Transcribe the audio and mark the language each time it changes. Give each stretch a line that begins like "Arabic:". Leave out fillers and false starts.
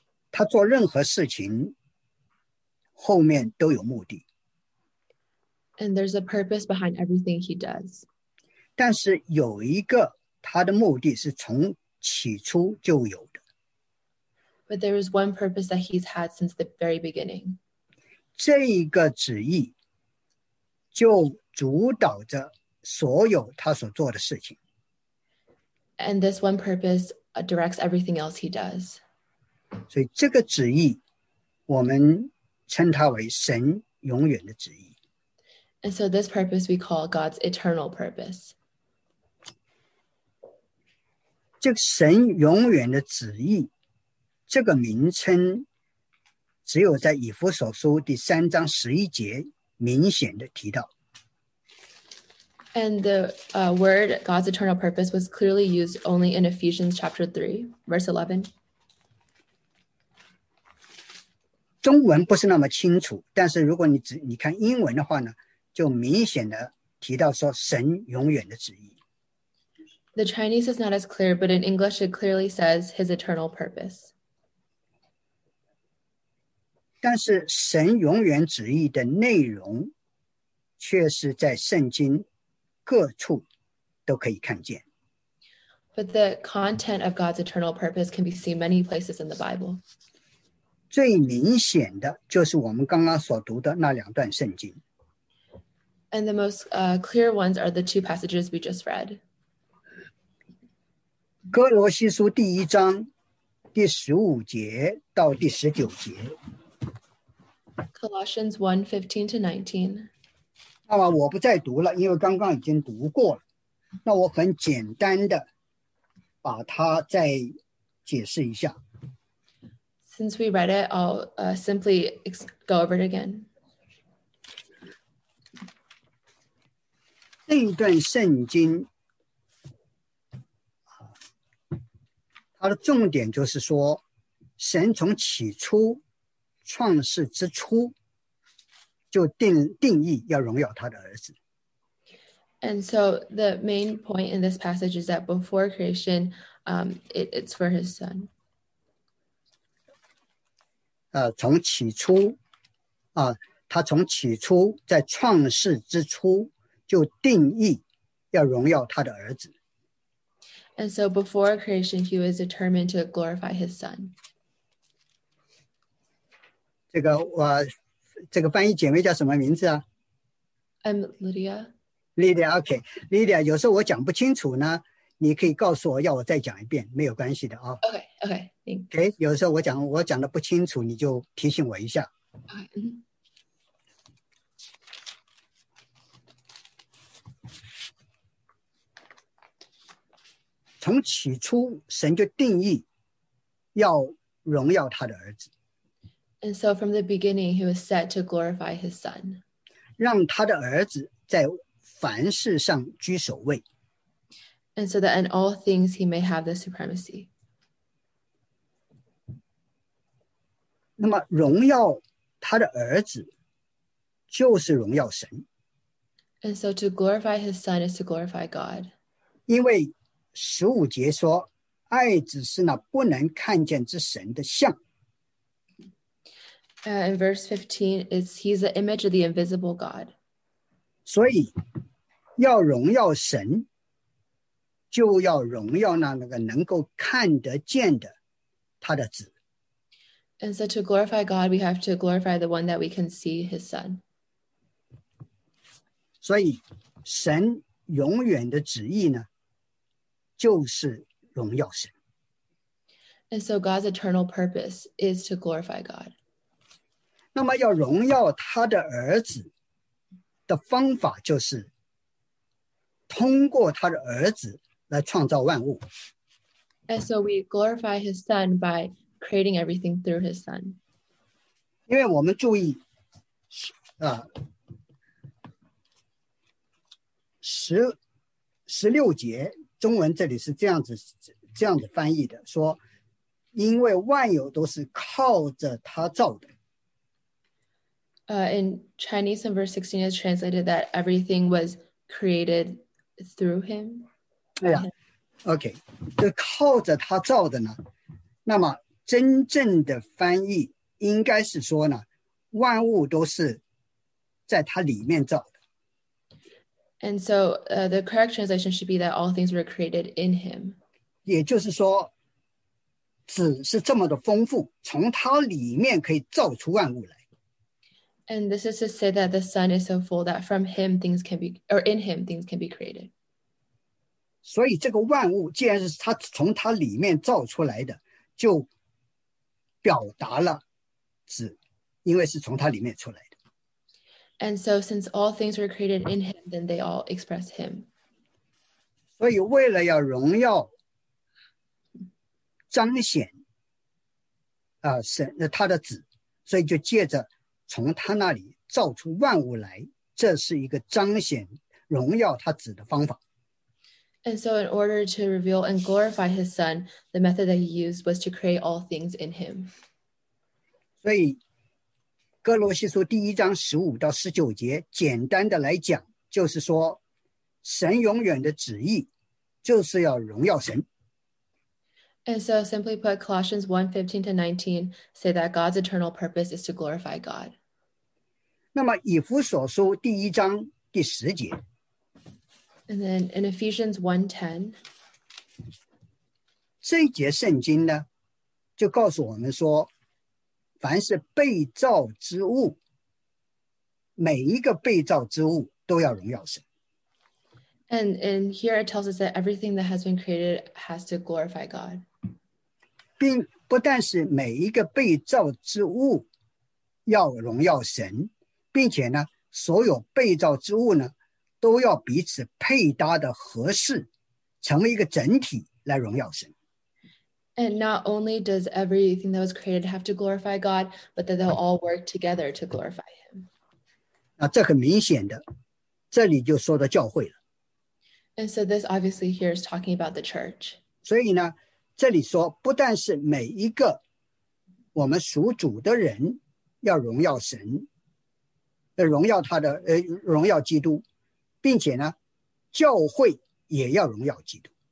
Chinese: 他做任何事情后面都有目的。
English: And there's a purpose behind everything he does.
Chinese: 但是有一个他的目的是从起初就有的。
English: But there is one purpose that he's had since the very beginning.
Chinese: 这一个旨意就主导着所有他所做的事情。
English: And this one purpose directs everything else he does.
Chinese: 所以这个旨意我们称它为神永远的旨意。
English: And so this purpose we call God's eternal purpose.
Chinese: 这个神永远的旨意这个名称只有在以弗所书第三章十一节明显的提到。
English: And the word God's eternal purpose was clearly used only in Ephesians chapter 3, verse 11.
Chinese: 中文不是那么清楚，但是如果 你看英文的话呢，就明显的提到说神永远的旨意。
English: The Chinese is not as clear, but in English it clearly says his eternal purpose.
Chinese: 但是神永远旨意的内容却是在圣经各处都可以看见。
English: But the content of God's eternal purpose can be seen many places in the Bible.
Chinese: 最明显的就是我们刚刚所读的那两段圣经。
English: And the most clear ones are the two passages we just read.
Chinese: 哥罗西书第一章第十五节到第十九节。
English: Colossians 1:15 to 19.
Chinese: 那么我不再读了，因为刚刚已经读过了。那我很简单的把它再解释一下。
English: Since we read it, I'll simply go over it again.
Chinese: 这一段圣经，它的重点就是说，神从起初创世之初就定义要荣耀他的儿子。
English: And so the main point in this passage is that before creation, it's for his son.
Chinese: 从起初，他从起初在创世之初就定义要荣耀他的儿子。
English: And so before creation, he was determined to glorify his son.
Chinese: 这个我。这个翻译姐妹叫什么名字啊
English: ？I'm Lydia. Lydia, OK.
Chinese: Lydia, 有时候我讲不清楚呢，你可以告诉我，要我再讲一遍，没有关系的啊。
English: OK, OK, thanks.
Chinese: OK, 有时候我讲的不清楚，你就提醒我一下。从起初，神就定义要荣耀他的儿子。
English: And so from the beginning, he was set to glorify his son.
Chinese: 让他的儿子在凡事上居首位。
English: And so that in all things, he may have the supremacy.
Chinese: 那么荣耀他的儿子就是荣耀神。
English: And so to glorify his son is to glorify God.
Chinese: 因为十五节说，爱子是那不能看见之神的像。
English: In verse 15, he's the image of the invisible God.
Chinese: 所以要荣耀神，就要荣耀那个能够看得见的他的子。
English: And so to glorify God, we have to glorify the one that we can see, his son.
Chinese: 所以神永远的旨意呢，就是荣耀神。
English: And so God's eternal purpose is to glorify God.
Chinese: 那么要荣耀他的儿子的方法就是通过他的儿子来创造万物。
English: And so we glorify his son by creating everything through his son.
Chinese: 因为我们注意十六节中文这里是这样子翻译的，说因为万有都是靠着他造的。
English: In Chinese, in verse 16, it's translated that everything was created through him. Yeah. Okay.
Chinese: 就靠着他造的呢，那么真正的翻译应该是说呢，万物都是在他里面造的。
English: And so, the correct translation should be that all things were created in him.
Chinese: 也就是说，子是这么的丰富，从他里面可以造出万物来。
English: And this is to say that the Son is so full that from him things can be, or in him things can be created.
Chinese: 所以这个万物既然是他从他里面造出来的，就表达了子，因为是从他里面出来的。
English: And so since all things were created in him, then they all express him.
Chinese: 所以为了要荣耀彰显他的子，所以就借着从他那里造出万物来，这是一个彰显荣耀他子的方法。
English: And so in order to reveal and glorify his son, the method that he used was to create all things in him.
Chinese: 所以哥罗西书第一章十五到十九节简单的来讲，就是说神永远的旨意就是要荣耀神。
English: And so simply put, Colossians 1:15-19 say that God's eternal purpose is to glorify God.
Chinese: 那么以弗所书第一章第十节。
English: And then in Ephesians 1:10,
Chinese: 这一节圣经呢，就告诉我们说，凡是被造之物，每一个被造之物都要荣耀神。
English: And here it tells us that everything that has been created has to glorify God.
Chinese: 并不但是每一个被造之物要荣耀神，并且呢，所有被造之物呢，都要彼此配搭的合适，成为一个整体来荣耀神。
English: And not only does everything that was created have to glorify God, but that they'll all work together to glorify Him.
Chinese: 那这很明显的，这里就说到教会了。
English: And so this obviously here is talking about the church.
Chinese: 所以呢，这里说不但是每一个我们属主的人要荣耀神，荣耀他的荣耀基督，并且呢，教会也要荣耀基督。